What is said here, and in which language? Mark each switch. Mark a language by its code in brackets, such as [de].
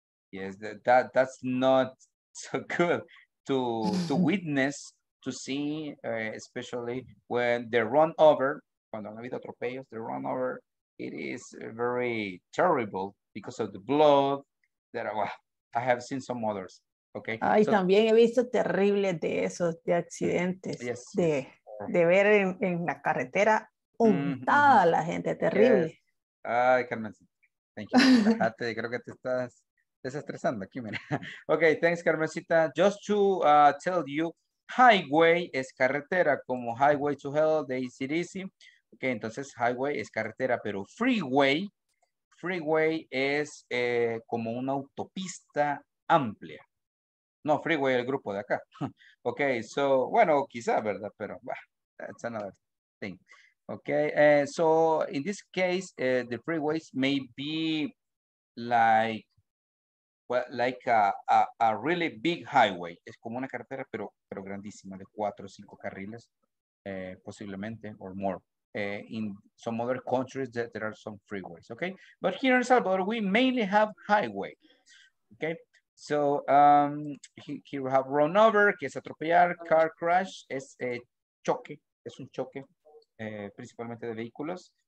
[en] Yes, that's not so good to witness, to see, especially when the run over, [es] cuando han habido atropellos, [en] the run over, it is very terrible because of the blood. That, well, I have seen some others. Okay. [es] Ay, so, también he visto terrible de esos de accidentes. [en] Yes. [es] De ver en la carretera untada la gente, terrible. [en] Yes. [es] Ay, Carmen. [en] Thank you. [es] Creo que te estás desestresando aquí, mira. [en] Okay, thanks, Carmencita. Just to tell you, highway [es] es carretera, como [en] highway to hell, the easy, easy. [es] Okay, entonces highway es carretera, pero freeway es como una autopista amplia. No, freeway el grupo de acá. Okay, so, bueno, quizá, ¿verdad? [en] Pero, that's another thing. Okay, so in this case, the freeways may be like, well, like a really big highway. [es] Es como una carretera, pero grandísima, de 4 o 5 carriles, posiblemente, [en] or more. In some other countries, there are some freeways, okay? But here in Salvador, we mainly have highway, okay? So here we have run over, [es] que es atropellar, car crash, es choque, es un choque, principalmente de vehículos.